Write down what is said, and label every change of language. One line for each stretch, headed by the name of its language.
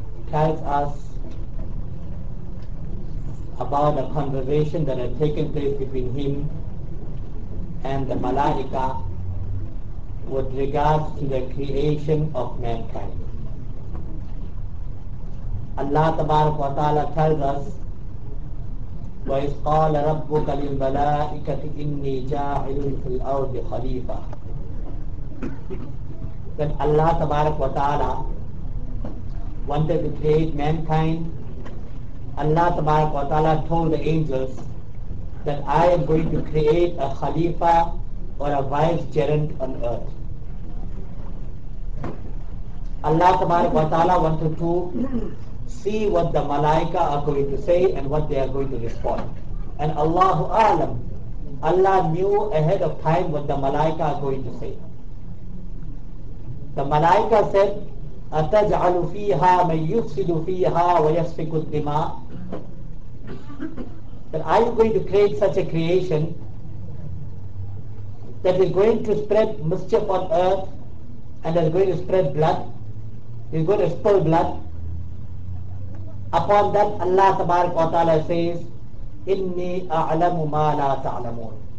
English: tells us about a conversation that had taken place between him and the Malaika with regards to the creation of mankind. Allah tabarak wa ta'ala tells us,
Arabic: وَإِذْ قَالَ رَبُّكَ لِلْمَلَائِكَةِ إِنِّي جَاعِلٌ فِي الْأَرْضِ خَلِيفَةً.
English: That Allah tabarak wa ta'ala wanted to create mankind. Allah tabarak wa ta'ala told the angels that I am going to create a khalifa or a vicegerent on earth. Allah tabarak wa ta'ala wanted to see what the malaika are going to say and what they are going to respond. And Allahu alam, Allah knew ahead of time what the malaika are going to say. The malaika said,
Arabic: أَتَجْعَلُ فِيهَا مَنْ يُفْسِدُ فِيهَا وَيَسْفِكُ الدِّمَا.
English: That are you going to create such a creation that is going to spread mischief on earth and is going to spread blood, is going to spill blood? Upon that Allah tabarak wa ta'ala says,
Arabic: إِنِّي أَعْلَمُ مَا لَا تَعْلَمُونَ.